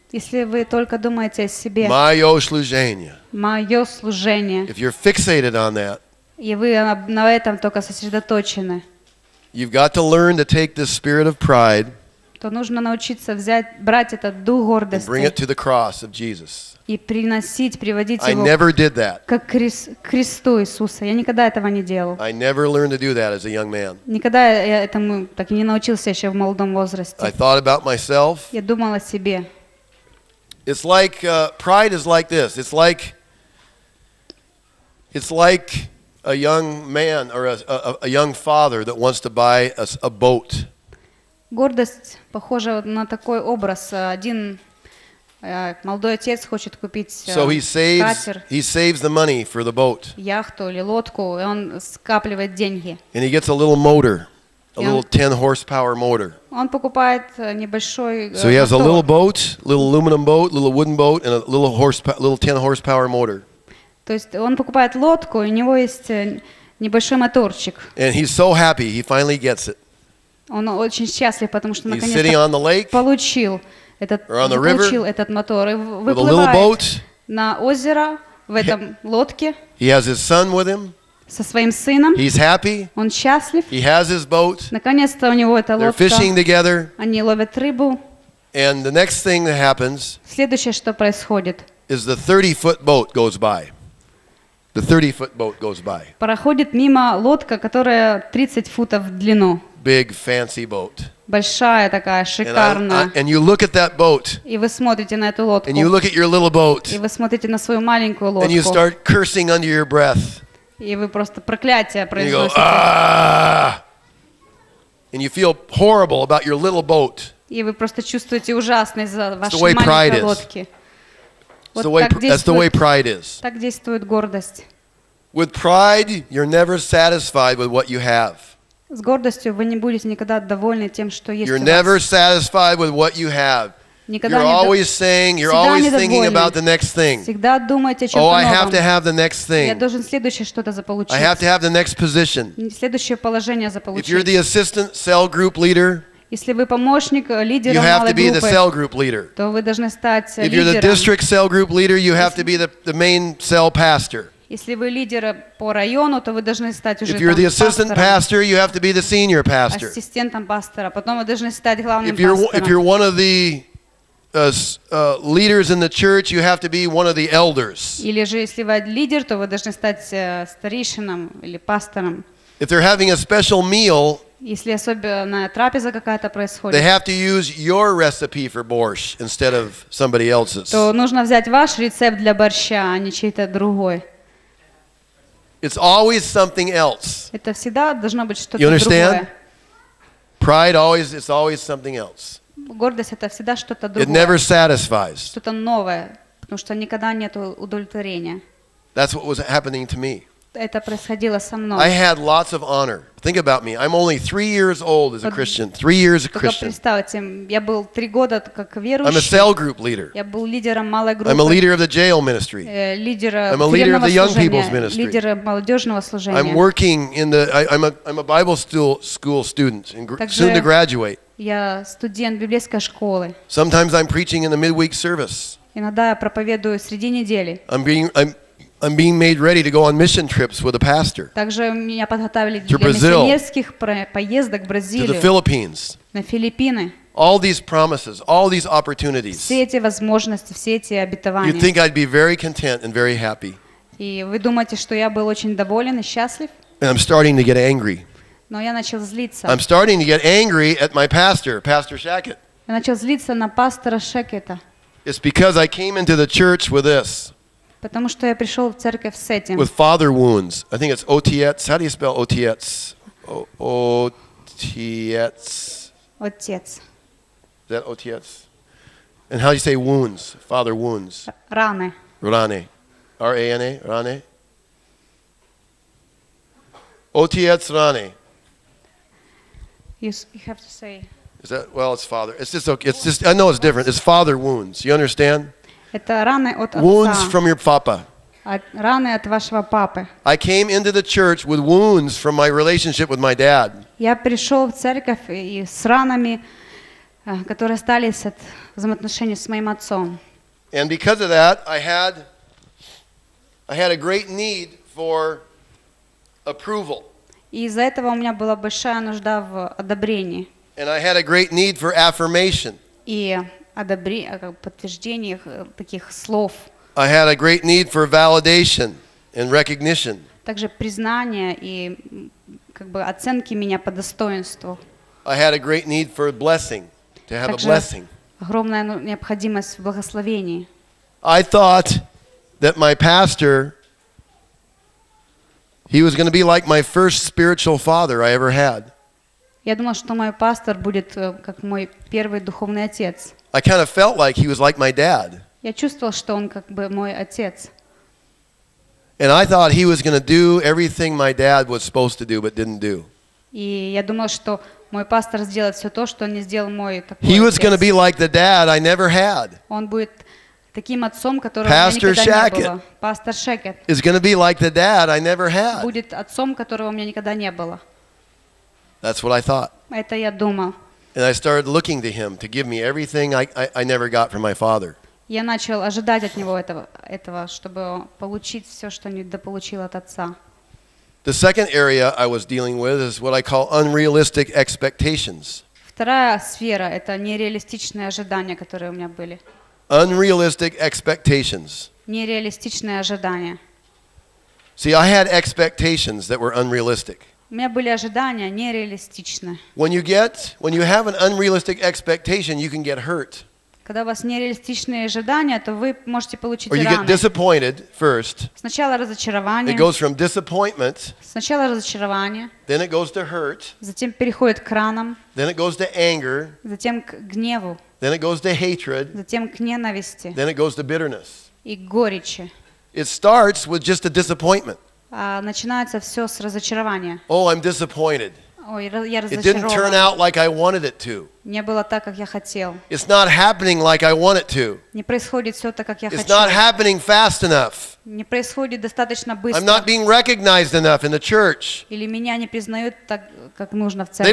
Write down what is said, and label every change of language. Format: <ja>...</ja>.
<ru>если вы только думаете о себе, мое служение. Мое служение.</ru> <en>If you're fixated on that,</en> <ru>и вы на этом только сосредоточены,</ru> <en>you've got to learn to take this spirit of pride.</en> <ru>что нужно научиться взять, брать этот дух гордости.</ru> <en>And bring it to the cross of Jesus.</en> <ru>И приносить, приводить его.</ru> <en>I never did that.</en> <ru>Как к кресту Иисуса. Я никогда этого не делал.</ru> <en>I never learned to do that as a young man.</en> <ru>Никогда я этому так и не научился еще в молодом возрасте.</ru> <en>I thought about myself.</en> <ru>Я думал о себе.</ru> <en>It's like pride is like this. It's like a young man or a young father that wants to buy a boat.</en> <ru>Гордость похожа на такой образ. Один молодой отец хочет купить катер.</ru> <en>So he saves the money for the boat.</en> <ru>Яхту или лодку, и он скапливает деньги.</ru> <en>And he gets a little motor, a little 10 horsepower motor.</en> <ru>Он покупает небольшой.</ru> <en>So he has a little boat, little aluminum boat, little wooden boat, and a little little 10 horsepower motor.</en> <ru>То есть он покупает лодку, и у него есть небольшой моторчик.</ru> <en>And he's so happy, he finally gets it.</en> <ru>Он очень счастлив, потому что наконец-то получил этот мотор. И выплывает на озеро в этом лодке.</ru> <en>He has his son with him.</en> <ru>Со своим сыном.</ru> <en>He's happy.</en> <ru>Он счастлив.</ru> <en>He has his boat.</en> <ru>Наконец-то у него эта лодка.</ru> <en>They're fishing together.</en> <ru>Они ловят рыбу.</ru> <en>And the next thing that happens.</en> <ru>Следующее, что происходит.</ru> <en>Is the 30-foot boat goes by. The 30-foot boat goes by.</en> <ru>Проходит мимо лодка, которая 30 футов в длину.</ru> <en>Big fancy boat.</en> <ru>Большая такая, шикарная.</ru> <en>And you look at that boat.</en> <ru>И вы смотрите на эту лодку.</ru> <en>And you look at your little boat.</en> <ru>И вы смотрите на свою маленькую лодку.</ru> <en>And you start cursing under your breath.</en> <ru>И вы просто проклятие произносите.</ru> <en>And you go, ah! And you feel horrible about your little boat.</en> <ru>И вы просто чувствуете ужасно из-за вашей маленькой лодки.</ru> <en>That's the way pride is.</en> <ru>Так действует гордость.</ru> <en>With pride, you're never satisfied with what you have.</en> <ru>С гордостью вы не будете никогда довольны тем, что есть.</ru> <en>You're never satisfied with what you have. You're always saying, you're always thinking about the next thing.</en> <ru>Всегда думаете о чем-то новом.</ru> <en>Oh, I have to have the next thing.</en> <ru>Я должен следующее что-то заполучить.</ru> <en>I have to have the next position.</en> <ru>Следующее положение заполучить.</ru> <en>If you're the assistant cell group leader.</en> <ru>Если вы помощник лидера малой группы,</ru> <en>the cell group leader.</en> <ru>То вы должны стать</ru> <en>If</en> <ru>лидером.</ru> <en>If you're the district cell group leader, you have to be the main cell pastor.</en> <ru>Если вы лидер по району, то вы должны стать уже</ru> <en>If you're the assistant pastor, you have to be the senior pastor.</en> <ru>Ассистентом пастора, потом вы должны стать главным</ru> <en>if you're,</en> <ru>пастором.</ru> <en>If you're one of the leaders in the church, you have to be one of the elders.</en> <ru>Или же если вы лидер, то вы должны стать старейшином или пастором.</ru> <en>If they're having a special meal,</en> <ru>если особенная трапеза какая-то происходит,</ru> <en>they have to use your recipe for borscht instead of somebody else's.</en> <ru>То нужно взять ваш рецепт для борща, а не чей-то другой.</ru> <en>It's always something else.</en> <ru>Это всегда должно быть что-то другое.</ru> <en>You understand? Pride always, it's always something else.</en> <ru>Гордость это всегда что-то другое.</ru> <en>It never satisfies.</en> <ru>Что-то новое, потому что никогда нет удовлетворения.</ru> <en>That's what was happening to me.</en> <ru>Это происходило со мной.</ru> <en>I had lots of honor. Think about me. I'm only 3 years old as a Christian. 3 years a Christian.</en> <ru>Только представьте, я был 3 года как верующий.</ru> <en>I'm a cell group leader.</en> <ru>Я был лидером малой группы.</ru> <en>I'm a leader of the jail ministry.</en> <ru>Лидером.</ru> <en>I'm a leader of the young people's ministry.</en> <ru>Лидером молодежного служения.</ru> <en>I'm working in the. I'm a Bible school student and soon to graduate.</en> <ru>Я студент библейской школы.</ru> <en>Sometimes I'm preaching in the midweek service.</en> <ru>Иногда я проповедую среди недели.</ru> <en>I'm being made ready to go on mission trips with a pastor.</en> <ru>Также меня подготовили для миссионерских поездок в Бразилию.</ru> <en>To the Philippines.</en> <ru>На Филиппины.</ru> <en>All these promises, all these opportunities.</en> <ru>Все эти возможности, все эти обетования.</ru> <en>You think I'd be very content and very happy?</en> <ru>И вы думаете, что я был очень доволен и счастлив?</ru> <en>And I'm starting to get angry.</en> <ru>Но я начал злиться.</ru> <en>I'm starting to get angry at my pastor, Pastor Shackett.</en> <ru>Я начал злиться на пастора Шекета.</ru> <en>It's because I came into the church with this.</en> <ru>Потому что я пришел в церковь с этим.</ru> <en>With father wounds. I think it's Otiets. How do you spell Otiets?</en> <ru>Otiets. Otiets.</ru> <en>Is that Otiets? And how do you say wounds? Father wounds.</en> <ru>Раны. Раны. R-A-N-A. Раны. Otiets раны.</ru> <en>You have to say. Is that well? It's father. It's just okay. It's just. I know it's different. It's father wounds. You understand?</en> <ru>Это раны от отца.</ru> <en>Wounds from your papa.</en> <ru>Раны от вашего папы.</ru> <en>I came into the church with wounds from my relationship with my dad.</en> <ru>Я пришел в церковь и с ранами, которые остались от взаимоотношений с моим отцом.</ru> <en>And because of that, I had a great need for approval.</en> <ru>И из-за этого у меня была большая нужда в одобрении.</ru> <en>And I had a great need for affirmation.</en> <ru>И подтверждение таких слов.</ru> <en>I had a great need for validation and recognition.</en> <ru>Также признание и как бы оценки меня по достоинству.</ru> <en>I had a great need for a blessing, to have a blessing.</en> <ru>Огромная необходимость в благословении.</ru> <en>I thought that my pastor, he was going to be like my first spiritual father I ever had.</en> <ru>Я думала, что мой пастор будет как мой первый духовный отец.</ru> <en>I kind of felt like he was like my dad.</en> <ru>Я чувствовала, что он как бы мой отец.</ru> <en>And I thought he was going to do everything my dad was supposed to do but didn't do.</en> <ru>И я думала, что мой пастор сделает все то, что не сделал мой такой отец.</ru> <en>He was going to be like the dad I never had.</en> <ru>Он будет таким отцом, которого Pastor у меня никогда Shackett не было. Пастор Шекет.</ru> <en>Is going to be like the dad I never had.</en> <ru>Будет отцом, которого у меня никогда не было.</ru> <en>That's what I thought.</en> <ru>Это я думал.</ru> <en>And I started looking to him to give me everything I never got from my father.</en> <ru>Я начал ожидать от него этого, чтобы получить все, что не дополучил от отца.</ru> <en>The second area I was dealing with is what I call unrealistic expectations.</en> <ru>Вторая сфера — это нереалистичные ожидания, которые у меня были.</ru> <en>Unrealistic expectations.</en> <ru>Нереалистичные ожидания.</ru> <en>See, I had expectations that were unrealistic.</en> <ru>У меня были ожидания нереалистичные.</ru> <en>When you have an unrealistic expectation, you can get hurt.</en> <ru>Когда у вас нереалистичные ожидания, то вы можете получить раны.</ru> <en>Or you get disappointed first.</en> <ru>Сначала разочарование.</ru> <en>It goes from disappointment.</en> <ru>Сначала разочарование.</ru> <en>Then it goes to hurt.</en> <ru>Затем переходит к ранам.</ru> <en>Then it goes to anger.</en> <ru>Затем к гневу.</ru> <en>Then it goes to hatred.</en> <ru>Затем к ненависти.</ru> <en>Then it goes to bitterness.</en> <ru>И горечи.</ru> <en>It starts with just a disappointment.</en> <ru>Начинается все с разочарования.</ru> <en>Oh, I'm disappointed.</en> <ru>Ой, я</ru> <en>it didn't turn out like I wanted it to.</en> <ru>Не было так, как я хотел.</ru> <en>It's not happening like I want it to.</en> <ru>Не происходит все так, как я</ru> <en>it's</en> <ru>хочу.</ru> <en>Not happening fast enough.</en> <ru>Не происходит достаточно быстро.</ru> <en>I'm not being recognized enough in the church.</en> <ru>Или меня не признают так, как нужно в церкви.</ru>